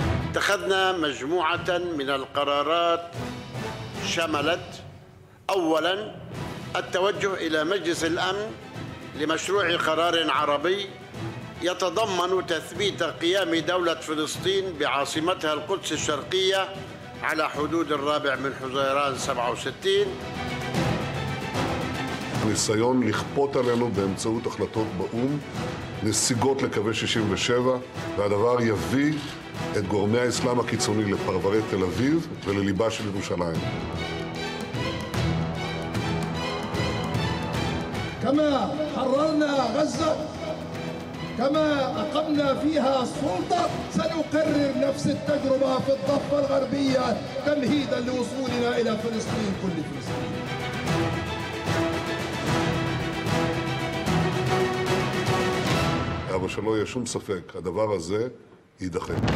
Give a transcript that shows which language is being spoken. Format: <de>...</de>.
<ar>اتخذنا مجموعة من القرارات شملت أولا التوجه إلى مجلس الأمن لمشروع قرار عربي يتضمن تثبيت قيام دولة فلسطين بعاصمتها القدس الشرقية على حدود الرابع من حزيران 67.</ar> <he>ניסיון לכפות עלינו באמצעות החלטות באום נסיגות לקווי 67 והדבר יביא את גורמי האסלאם הקיצוני לפרברי תל אביב ולליבה של ירושלים.</he> <ar>كما حررنا غزة كما أقمنا فيها السلطة سنكرر نفس التجربة في الضفة الغربية تمهيدا لوصولنا إلى فلسطين كل فلسطين.</ar> <he>אבל שלא יהיה שום ספק, הדבר הזה יידחה.</he>